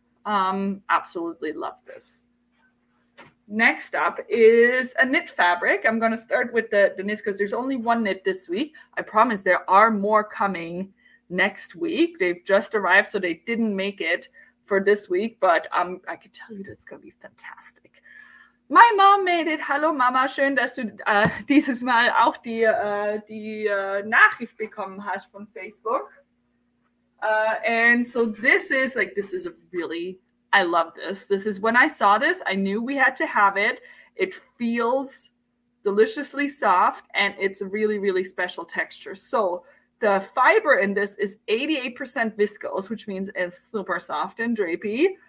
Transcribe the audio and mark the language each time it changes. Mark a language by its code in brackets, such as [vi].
[en] Absolutely love this. Next up is a knit fabric. I'm going to start with the knits because there's only one knit this week. I promise there are more coming next week. They've just arrived, so they didn't make it for this week, but I can tell you that it's going to be fantastic. My mom made it. [de] Hallo Mama, schön, dass du dieses Mal auch die Nachricht bekommen hast von Facebook. [en] And so this is a really, I love this. This is, when I saw this, I knew we had to have it. It feels deliciously soft and it's a really, really special texture. So the fiber in this is 88% viscose, which means it's super soft and drapey.